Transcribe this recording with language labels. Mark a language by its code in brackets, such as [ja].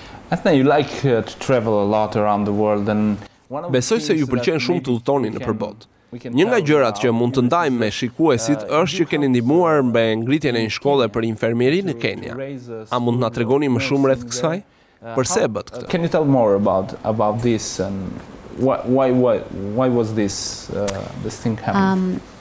[en] I think you like to travel a lot around the world and [sq] Besoj se ju pëlqen shumë të udhtoni nëpër botë. Një nga gjërat që mund të ndajmë me shikuesit është që keni ndihmuar me ngritjen e një shkolle për infermieri në Kenya. A mund na tregoni më shumë rreth kësaj? Pse bët këtë? [en] Can you tell more about this and why was this thing happening?